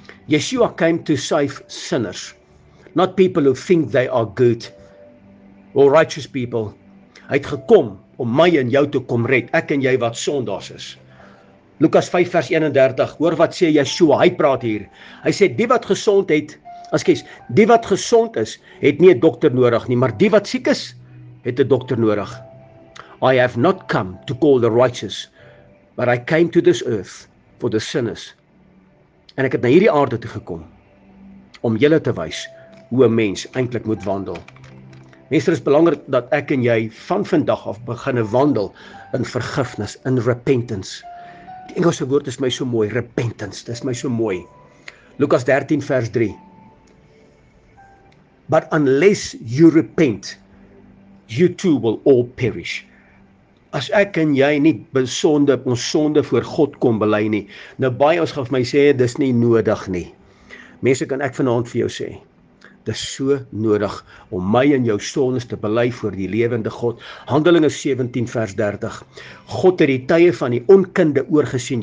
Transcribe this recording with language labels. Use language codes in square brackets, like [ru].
[en] Yeshua came to save sinners, not people who think they are good or righteous people. [af] Hy het gekom om my en jou te kom red, ek en jy wat sondaars is. Lukas 5 vers 31, hoor wat sê Yeshua, hy praat hier. Hy sê, die wat gesond is, het nie 'n dokter nodig nie, maar die wat siek is, het 'n dokter nodig. [en] I have not come to call the righteous, but I came to this earth for the sinners. [af] En ek het na hierdie aarde toe gekom, om julle te wys hoe 'n mens eintlik moet wandel. Mense, is belangrik dat ek en jy van vandag af begin wandel in vergifnis, in repentance. Die Engelse woord is my so mooi, repentance, dis my so mooi. Lukas 13 vers 3. [en] But unless you repent, you too will all perish. [af] As ek en jy nie besonde, ons sonde voor God kom bely nie, nou baie ons gaan vir my sê, dis nie nodig nie. Mense, kan ek vanaand vir jou sê, dis so nodig om my en jou sondes te bely voor die lewende God. Handelinge 17 vers 30. God het die tye van die onkunde oorgesien.